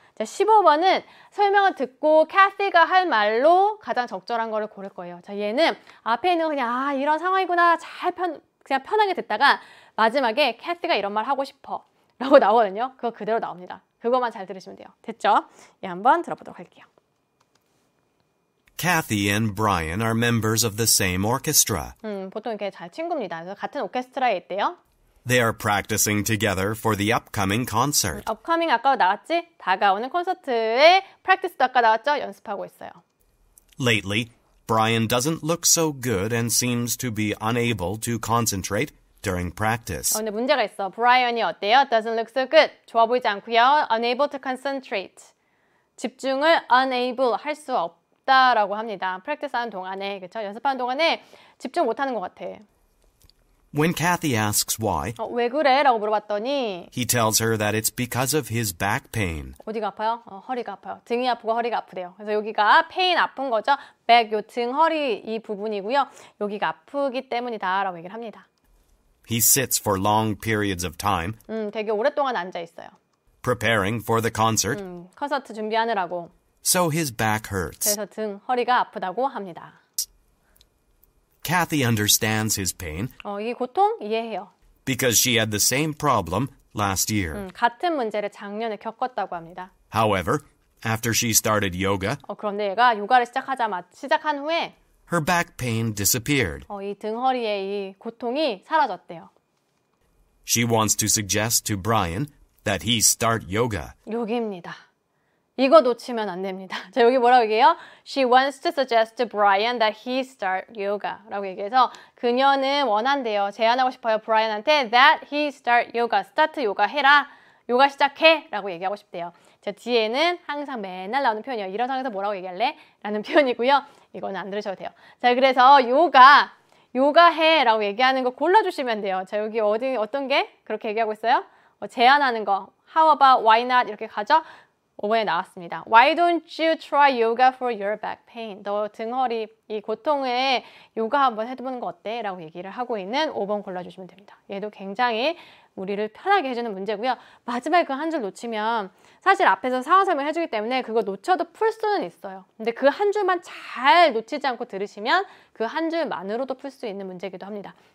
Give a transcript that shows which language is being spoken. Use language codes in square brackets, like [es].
[ko] 자, 15번은 설명을 듣고 캐시가 할 말로 가장 적절한 거를 고를 거예요. 자, 얘는 앞에 있는 그냥 아 이런 상황이구나 잘 그냥 편하게 듣다가 마지막에 캐시가 이런 말 하고 싶어 라고 나오거든요. 그거 그대로 나옵니다. 그것만 잘 들으시면 돼요. 됐죠? 예, 한번 들어보도록 할게요. [en] Kathy and Brian are members of the same orchestra. [ko] 보통 이렇게 잘 친구입니다. 그래서 같은 오케스트라에 있대요. [en] They are practicing together for the upcoming concert. [ko] Upcoming 아까 나왔지? 다가오는 콘서트에 practice도 아까 나왔죠? 연습하고 있어요. [en] Lately, Brian doesn't look so good and seems to be unable to concentrate during practice. [ko] 근데 문제가 있어. Brian이 어때요? [en] Doesn't look so good. [ko] 좋아 보이지 않고요. [en] Unable to concentrate. [ko] 집중을 unable 할 수 없. 라고 합니다. 프랙티스 하는 동안에 그렇죠? 연습하는 동안에 집중 못 하는 것 같아. [en] When Kathy asks why? [ko] 왜 그래라고 물어봤더니 [en] He tells her that it's because of his back pain. [ko] 어디가 아파요? 허리가 아파요. 등이 아프고 허리가 아프대요. 그래서 여기가 pain 아픈 거죠. back 요 등 허리 이 부분이고요. 여기가 아프기 때문이다라고 얘기를 합니다. [en] He sits for long periods of time. [ko] 되게 오랫동안 앉아 있어요. [en] preparing for the concert. [ko] 콘서트 준비하느라고 [en] So his back hurts. [ko] 그래서 등 허리가 아프다고 합니다. [en] Kathy understands his pain. [ko] 이 고통 이해해요. [en] Because she had the same problem last year. [ko] 같은 문제를 작년에 겪었다고 합니다. [en] However, after she started yoga. [ko] 그런데 얘가 요가를 시작한 후에 [en] her back pain disappeared. [ko] 이 등 허리의 이 고통이 사라졌대요. [en] She wants to suggest to Brian that he start yoga. [ko] 요기입니다. 이거 놓치면 안 됩니다. 자, 여기 뭐라고 얘기해요? [en] She wants to suggest to Brian that he start yoga [ko] 라고 얘기해서 그녀는 원한대요. 제안하고 싶어요. Brian한테 [en] that he start yoga. start yoga 해라. [ko] 요가 시작해 라고 얘기하고 싶대요. 자, 뒤에는 항상 맨날 나오는 표현이에요. 이런 상황에서 뭐라고 얘기할래? 라는 표현이고요. 이거는 안 들으셔도 돼요. 자, 그래서 요가 해 라고 얘기하는 거 골라주시면 돼요. 자, 여기 어떤 게 그렇게 얘기하고 있어요? 제안하는 거. How about, why not 이렇게 가죠? 5번에 나왔습니다. [en] Why don't you try yoga for your back pain? [ko] 너 등허리 이 고통에 요가 한번 해보는 거 어때? 라고 얘기를 하고 있는 5번 골라주시면 됩니다. 얘도 굉장히 우리를 편하게 해주는 문제고요. 마지막에 그 한 줄 놓치면 사실 앞에서 상황 설명을 해주기 때문에 그거 놓쳐도 풀 수는 있어요. 근데 그 한 줄만 잘 놓치지 않고 들으시면 그 한 줄만으로도 풀 수 있는 문제이기도 합니다.